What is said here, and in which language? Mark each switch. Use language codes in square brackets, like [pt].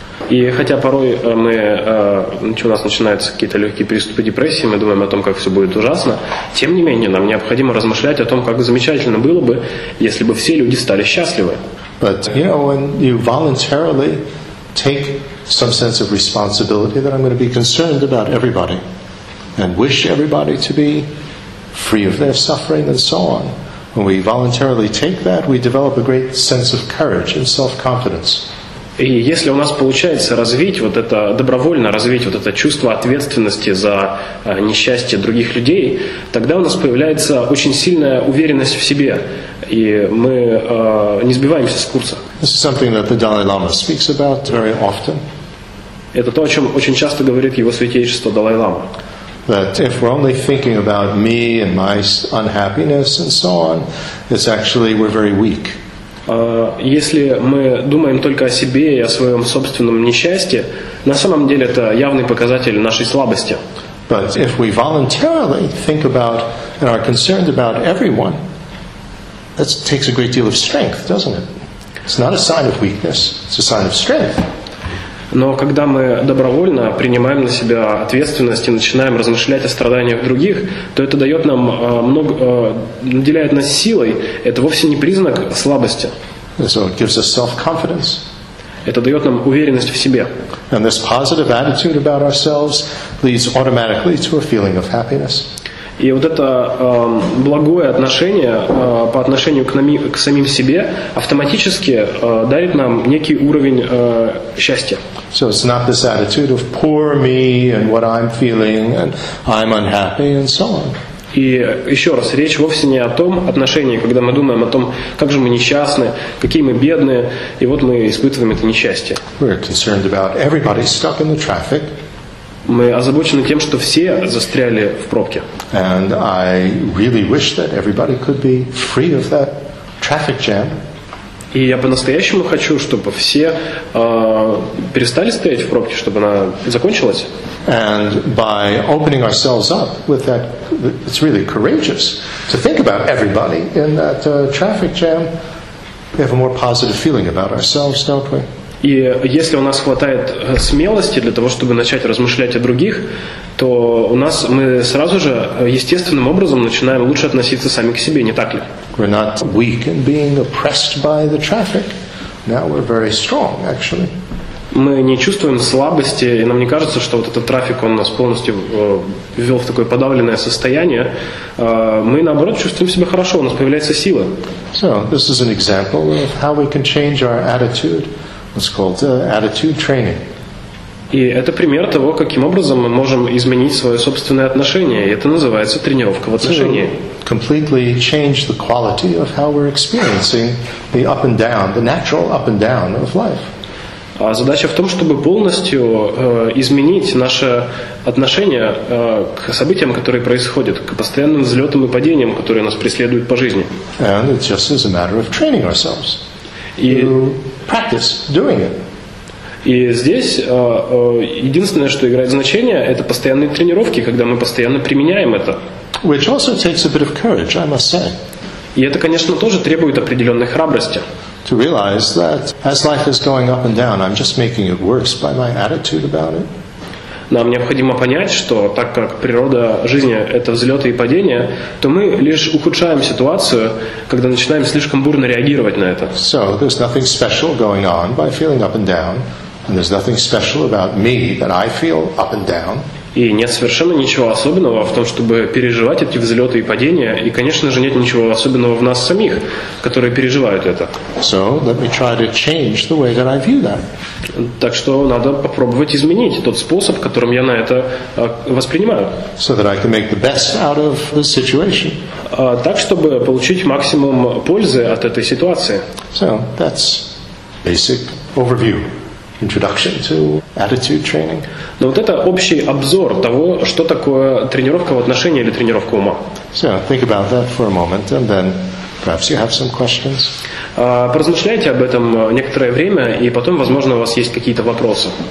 [ru] И хотя порой мы, у нас начинаются какие-то легкие приступы депрессии, мы думаем о том, как все будет ужасно, тем не менее, нам необходимо размышлять о том, как замечательно было бы, если бы все люди стали счастливы. [en] But, you know, when you voluntarily take some sense of responsibility that I'm going to be concerned about everybody and wish everybody to be free of their suffering and so on. When we voluntarily take that, we develop a great sense of courage and self-confidence. [ru] И если у нас получается развить вот это, добровольно развить вот это чувство ответственности за несчастье других людей, тогда у нас появляется очень сильная уверенность в себе, и мы не сбиваемся с курса. [en] This is something that the Dalai Lama speaks about very often. [ru] Это то, о чем очень часто говорит его святейшество Далай Лама. [en] That if we're only thinking about me and my unhappiness and so on, it's actually we're very weak. [ru] Если мы думаем только о себе и о своем собственном несчастье, на самом деле это явный показатель нашей слабости. [en] But if we voluntarily think about and are concerned about everyone, that takes a great deal of strength, doesn't it? It's not a sign of weakness, it's a sign of strength. [ru] Но когда мы добровольно принимаем на себя ответственность и начинаем размышлять о страданиях других, то это дает нам наделяет нас силой. Это вовсе не признак слабости. [en] So it gives us self-confidence. [ru] Это дает нам уверенность в себе. [en] And this positive attitude about ourselves leads automatically to a feeling of happiness. [ru] И вот это благое отношение по отношению к самим себе автоматически дарит нам некий уровень счастья. [en] So it's not this attitude of poor me and what I'm feeling and I'm unhappy and so on. [ru] И еще раз, речь вовсе не о том отношении, когда мы думаем о том, как же мы несчастны, какие мы бедные, и вот мы испытываем это несчастье. [en] We're concerned about everybody stuck in the traffic. [ru] Мы озабочены тем, что все застряли в пробке. [en] And I really wish that everybody could be free of that traffic jam. [ru] И я по-настоящему хочу, чтобы все перестали стоять в пробке, чтобы она закончилась. [en] And by opening ourselves up with that, it's really courageous to think about everybody in that traffic jam. We have a more positive feeling about ourselves, don't we? [ru] И если у нас хватает смелости для того, чтобы начать размышлять о других, то у нас мы сразу же естественным образом начинаем лучше относиться сами к себе, не так ли? [en] We're not weak in being oppressed by the traffic. Now we're very strong, actually. [ru] Мы не чувствуем слабости, и нам не кажется, что вот этот трафик он нас полностью ввел в такое подавленное состояние. Мы наоборот чувствуем себя хорошо, у нас появляется сила. [en] So this is an example of how we can change our attitude. It's called attitude training. [ru] И это пример того, каким образом мы можем изменить свое собственное отношение. И это называется тренировка в отношении. [en] Completely change the quality of how we're experiencing the up and down, the natural up and down of life. [ru] А задача в том, чтобы полностью изменить наше отношение к событиям, которые происходят, к постоянным взлетам и падениям, которые нас преследуют по жизни. [en] And it's just as a matter of training ourselves. Practice doing it. [ru] И здесь единственное, что играет значение, это постоянные тренировки, когда мы постоянно применяем это. [en] Which also takes a bit of courage, I must say. [ru] И это, конечно, тоже требует определенной храбрости. [en] To realize that as life is going up and down, I'm just making it worse by my attitude about it. [ru] Нам необходимо понять, что так как природа жизни — это взлеты и падения, то мы лишь ухудшаем ситуацию, когда начинаем слишком бурно реагировать на это. [en] So there's nothing special going on by feeling up and down, and there's nothing special about me that I feel up and down. [ru] И нет совершенно ничего особенного в том, чтобы переживать эти взлеты и падения. И, конечно же, нет ничего особенного в нас самих, которые переживают это. [en] So, let me try to change the way that I view that. [ru] Так что надо попробовать изменить тот способ, которым я на это воспринимаю. [en] So that I can make the best out of the situation. [ru] Так, чтобы получить максимум пользы от этой ситуации. [en] So, that's basic overview. Introduction to attitude training. [ru] Но вот это общий обзор того, что такое тренировка в отношении или тренировка ума. [en] So think about that for a moment, and then perhaps you have some questions. [ru] Поразмышляйте об этом некоторое время, и потом, возможно, у вас есть какие-то вопросы.